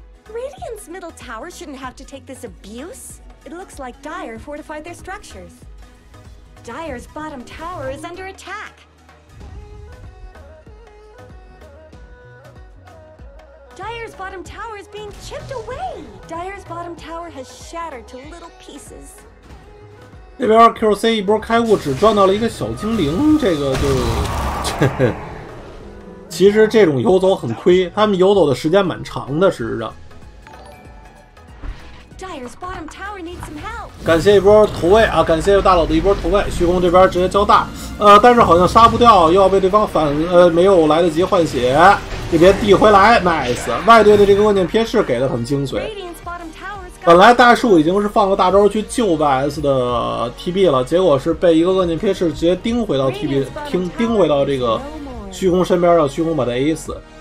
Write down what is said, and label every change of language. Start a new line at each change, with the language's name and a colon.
English: Radiant's middle tower shouldn't have to take this abuse. It looks like Dire fortified their structures. Dire's bottom tower is under attack. Dire's bottom tower is being chipped away. Dire's bottom tower has shattered to little pieces.
Chinese: 那边 QC 一波开物只赚到了一个小精灵，这个就，其实这种游走很亏，他们游走的时间蛮长的，事实上。
English: Dire's bottom tower needs some help.
Chinese: 感谢一波投喂啊！感谢大佬的一波投喂，虚空这边直接交大，但是好像杀不掉，又要被对方反，没有来得及换血。这边递回来 ，nice。外队的这个关键贴士给的很精髓。本来大树已经是放个大招去救 VS 的 TB 了，结果是被一个关键贴士直接盯回到 TB， 盯回到这个虚空身边，让虚空把他 A 死。